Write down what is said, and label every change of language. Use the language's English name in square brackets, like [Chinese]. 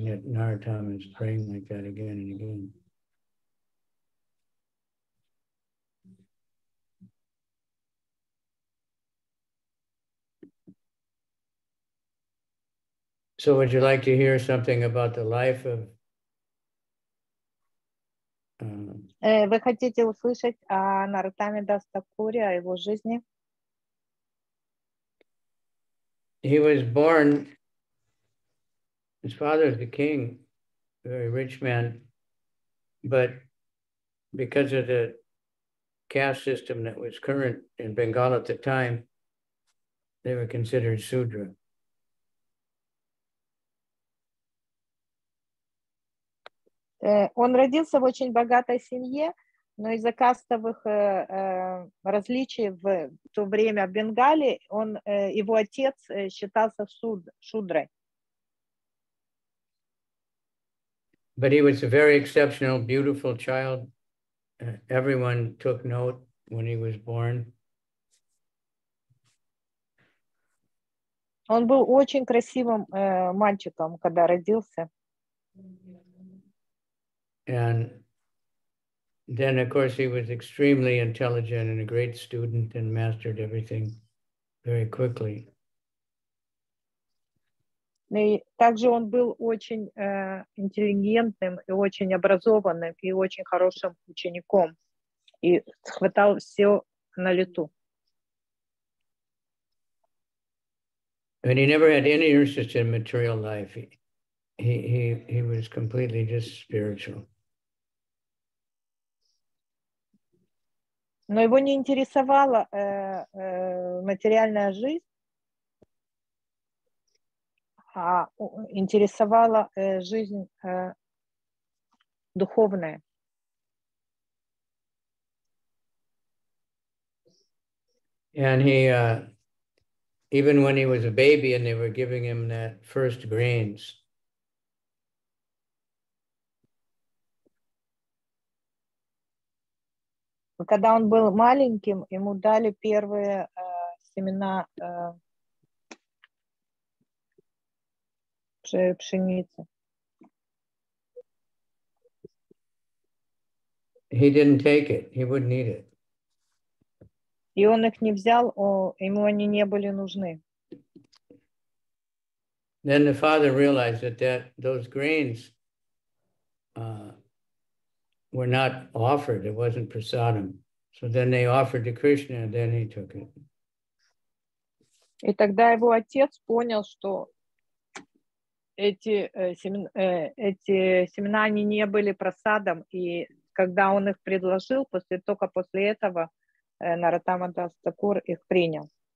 [English] Narottam is praying like that again and again. So would you like to hear something about the life of [Russian] Вы хотите услышать о Нартаме Дастакуре, о его жизни? [English] He was born, his father is the king, very rich man, but because of the caste system that was current in Bengal at the time, they were considered Sudra. [Russian] Он родился в очень богатой семье, но из-за кастовых различий в то время в Бенгале, он, его отец считался шудрой. [English] But he was a very exceptional, beautiful child. Everyone took note when he was born. [Russian] Он был очень красивым мальчиком, когда родился. [English] And then, of course, he was extremely intelligent and a great student and mastered everything very quickly. [Russian] И также он был очень интеллигентным и очень образованным и очень хорошим учеником и схватал все на лету. [English] And he never had any interest in material life. He was completely just spiritual. [Russian] Но его не интересовала материальная жизнь, а интересовала жизнь духовная. [English] And he, even when he was a baby and they were giving him that first grains, [Russian] когда он был маленьким, ему дали первые семена пшеницы. [English] He didn't take it. He wouldn't eat it. [Russian] И он их не взял, ему они не были нужны. [English] Then the father realized that, those grains were not offered. It wasn't prasadam. So then they offered to Krishna, and then he took it. [Russian] И тогда его отец понял, что эти семена они не были просадом, и когда он их предложил, после только после этого Наратама Дас Такур их принял.